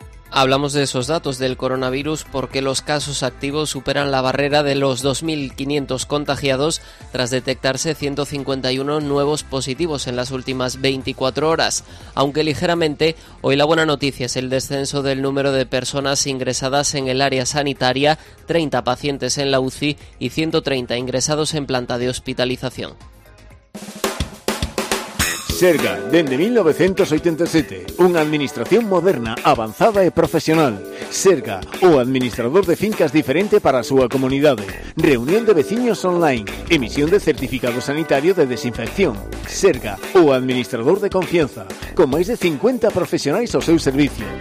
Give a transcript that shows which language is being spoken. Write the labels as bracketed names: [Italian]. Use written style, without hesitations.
[Spanish] Hablamos de esos datos del coronavirus porque los casos activos superan la barrera de los 2.500 contagiados tras detectarse 151 nuevos positivos en las últimas 24 horas. Aunque ligeramente, hoy la buena noticia es el descenso del número de personas ingresadas en el área sanitaria, 30 pacientes en la UCI y 130 ingresados en planta de hospitalización. [Galician] Serga, dende 1987, unha administración moderna, avanzada e profesional. Serga, o administrador de fincas diferente para a súa comunidade. Reunión de veciños online, emisión de certificado sanitario de desinfección. Serga, o administrador de confianza, con máis de 50 profesionais ao seu servicio.